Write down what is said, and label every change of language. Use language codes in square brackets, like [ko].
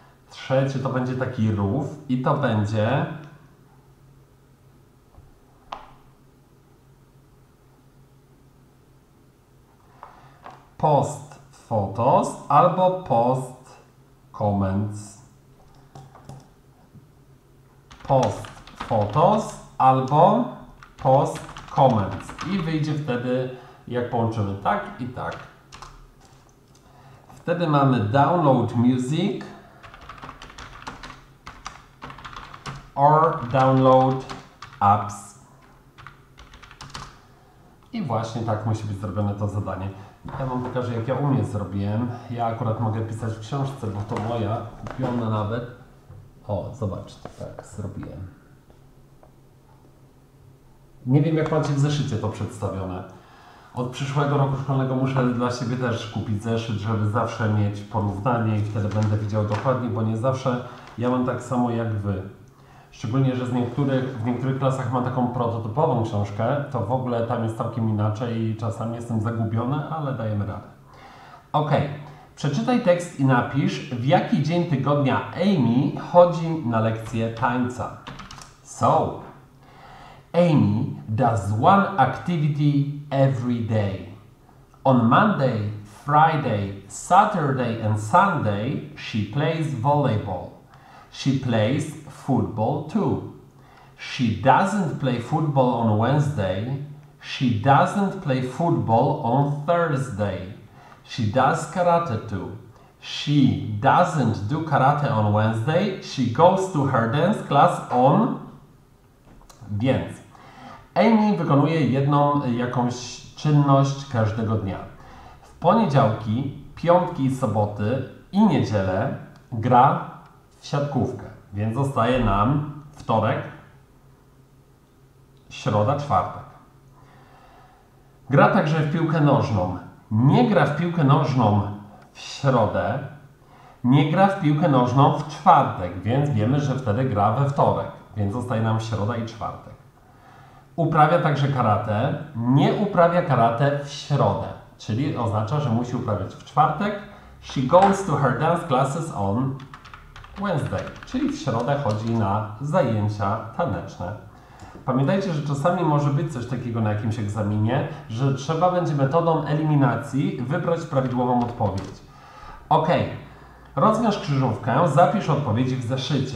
[pl] Trzecie to będzie taki rów i to będzie [en] post photos [pl] albo [en] post comments. Post photos [pl] albo [en] post comments. [pl] I wyjdzie wtedy, jak połączymy tak i tak. Wtedy mamy [en] download music. Or download apps. [pl] I właśnie tak musi być zrobione to zadanie. Ja wam pokażę, jak ja u mnie zrobiłem. Ja akurat mogę pisać w książce, bo to moja, kupiona nawet. O, zobaczcie, tak zrobiłem. Nie wiem, jak macie w zeszycie to przedstawione. Od przyszłego roku szkolnego muszę dla siebie też kupić zeszyt, żeby zawsze mieć porównanie i wtedy będę widział dokładnie, bo nie zawsze ja mam tak samo jak wy. Szczególnie, że w niektórych klasach mam taką prototypową książkę, to w ogóle tam jest całkiem inaczej i czasami jestem zagubiony, ale dajemy radę. Ok, przeczytaj tekst i napisz, w jaki dzień tygodnia Amy chodzi na lekcję tańca. [en] So, Amy does one activity every day. On Monday, Friday, Saturday and Sunday she plays volleyball. She plays football too. She doesn't play football on Wednesday. She doesn't play football on Thursday. She does karate too. She doesn't do karate on Wednesday. She goes to her dance class on... [pl] Więc Amy wykonuje jedną jakąś czynność każdego dnia. W poniedziałki, piątki i soboty i niedzielę gra w siatkówkę, więc zostaje nam wtorek, środa, czwartek. Gra także w piłkę nożną. Nie gra w piłkę nożną w środę, nie gra w piłkę nożną w czwartek, więc wiemy, że wtedy gra we wtorek, więc zostaje nam środa i czwartek. Uprawia także karate, nie uprawia karate w środę, czyli oznacza, że musi uprawiać w czwartek, [en] She goes to her dance classes on Wednesday. [pl] Czyli w środę chodzi na zajęcia taneczne. Pamiętajcie, że czasami może być coś takiego na jakimś egzaminie, że trzeba będzie metodą eliminacji wybrać prawidłową odpowiedź. Ok, rozwiąż krzyżówkę, zapisz odpowiedzi w zeszycie.